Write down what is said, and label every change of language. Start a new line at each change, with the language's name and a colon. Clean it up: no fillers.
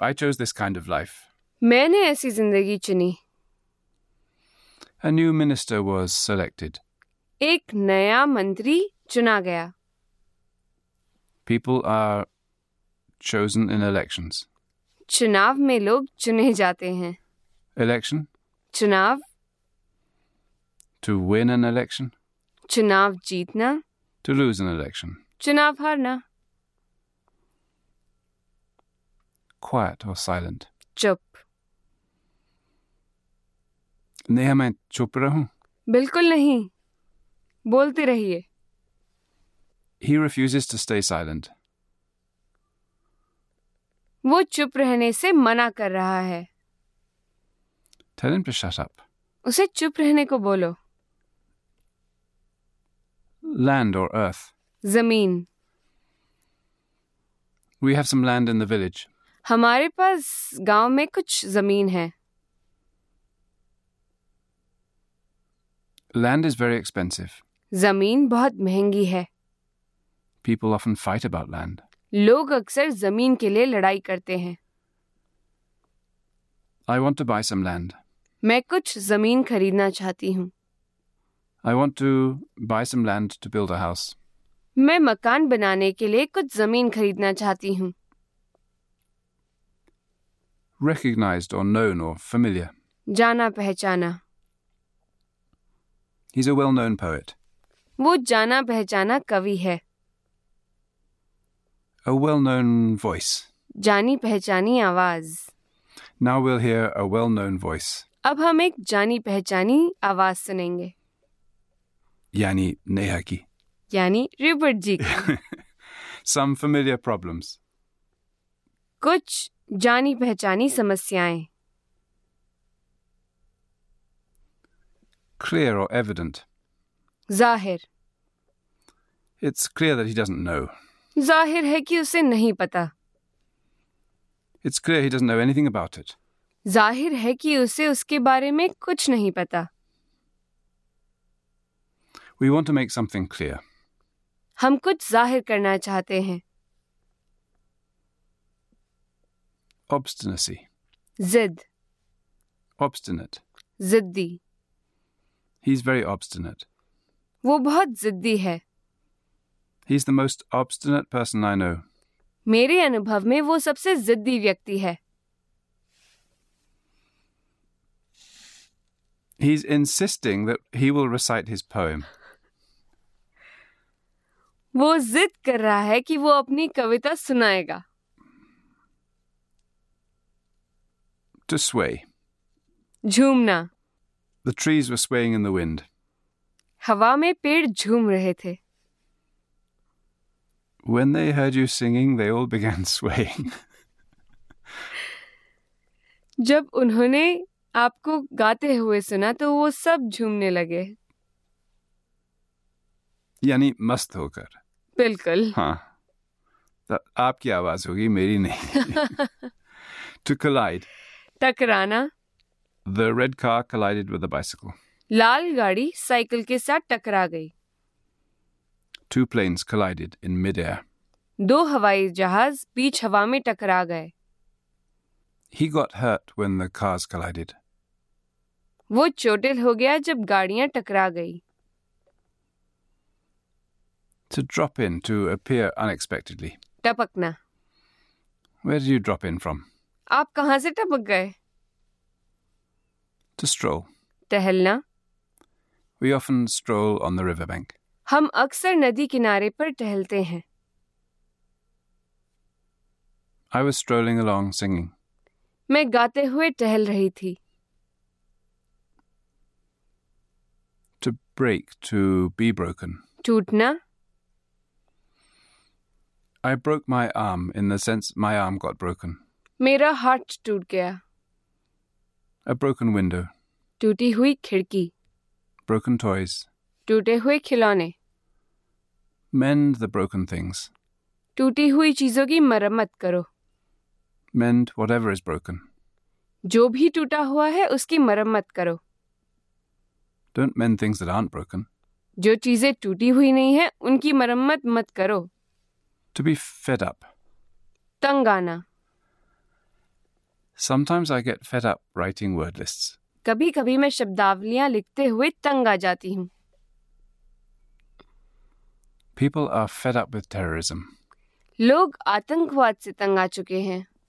English: I chose this kind of life.
Hindi: मैंने ऐसी जिंदगी चुनी।
English: A new minister was selected.
Hindi: एक नया मंत्री चुना गया।
English: People are chosen in elections.
Hindi: चुनाव में लोग चुने जाते हैं।
English: Election?
Hindi: चुनाव।
English: To win an election?
Hindi: चुनाव जीतना।
English: To lose an election?
Hindi: चुनाव हारना।
English: Quiet or silent?
Hindi: चुप। नहीं, मैं चुप रहा हूं। बिल्कुल नहीं, बोलते रहिए।
English: He refuses to stay silent.
Hindi: वो चुप रहने से मना कर रहा है।
English: Tell him to shut up.
Hindi: उसे चुप रहने को बोलो।
English: Land or earth?
Hindi: जमीन।
English: We have some land in the village.
Hindi: हमारे पास गांव में कुछ जमीन है।
English: Land is very expensive.
Hindi: जमीन बहुत महंगी है।
English: People often fight about land.
Hindi: लोग अक्सर जमीन के लिए लड़ाई करते हैं।
English: I want to buy some land.
Hindi: मैं कुछ जमीन खरीदना चाहती हूँ।
English: I want to buy some land to build a house.
Hindi: मैं मकान बनाने के लिए कुछ जमीन खरीदना चाहती हूँ।
English: Recognized or known or familiar.
Hindi: जाना पहचाना।
English: He's a well-known poet.
Hindi: वो जाना पहचाना कवि है।
English: A well-known voice.
Hindi: जानी पहचानी आवाज।
English: Now we'll hear a well-known voice.
Hindi: अब हम एक जानी पहचानी आवाज सुनेंगे। यानी नेहा की। यानी रूपर्ट जी की।
English: Some familiar problems.
Hindi: कुछ जानी पहचानी समस्याएं।
English: Clear or evident.
Hindi: जाहिर।
English: It's clear that he doesn't know.
Hindi: जाहिर है कि उसे नहीं पता।
English: It's clear he doesn't know anything about it.
Hindi: जाहिर है कि उसे उसके बारे में कुछ नहीं पता।
English: We want to make something clear.
Hindi: हम कुछ जाहिर करना चाहते हैं।
English: Obstinacy.
Hindi: जिद।
English: Obstinate.
Hindi: जिद्दी।
English: He's very obstinate.
Hindi: वो बहुत जिद्दी है।
English: He's the most obstinate person I know.
Hindi: मेरे अनुभव में वो सबसे जिद्दी व्यक्ति है।
English: He's insisting that he will recite his poem.
Hindi: वो जिद कर रहा है कि वो अपनी कविता सुनाएगा।
English: To sway.
Hindi: झूमना।
English: The trees were swaying in the wind.
Hindi: हवा में पेड़ झूम रहे थे।
English: When they heard you singing, they all began swaying.
Hindi: जब उन्होंने आपको गाते हुए सुना तो वो सब झूमने लगे। यानी मस्त होकर। बिल्कुल। हाँ, आपकी आवाज होगी, मेरी नहीं।
English: To collide.
Hindi: टकराना।
English: The red car collided with the bicycle.
Hindi: लाल गाड़ी साइकिल के साथ टकरा गई।
English: Two planes collided in midair.
Hindi: दो हवाई जहाज बीच हवा में टकरा गए।
English: He got hurt when the cars collided.
Hindi: वो चोटिल हो गया जब गाड़ियां टकरा गई।
English: To drop in, to appear unexpectedly.
Hindi: टपकना।
English: Where did you drop in from?
Hindi: आप कहां से टपक गए?
English: To stroll.
Hindi: टहलना।
English: We often stroll on the river bank.
Hindi: हम अक्सर नदी किनारे पर टहलते हैं।
English: I was strolling along singing.
Hindi: मैं गाते हुए टहल रही थी।
English: To break, to be broken.
Hindi: टूटना।
English: I broke my arm in the sense my arm got broken.
Hindi: मेरा हार्ट टूट गया।
English: A broken window.
Hindi: टूटी हुई खिड़की।
English: Broken toys.
Hindi: टूटे हुए खिलौने।
English: Mend the broken things.
Hindi: टूटी हुई चीजों की मरम्मत करो।
English: Mend whatever is broken.
Hindi: जो भी टूटा हुआ है उसकी मरम्मत करो।
English: Don't mend things that aren't broken.
Hindi: जो चीजें टूटी हुई नहीं है उनकी मरम्मत मत करो।
English: To be fed up.
Hindi: तंग आना।
English: Sometimes I get fed up writing word lists.
Hindi: कभी कभी मैं शब्दावलियां लिखते हुए तंग आ जाती हूँ।
English: People are fed up with terrorism.
Hindi: लोग आतंकवाद से तंग आ चुके हैं।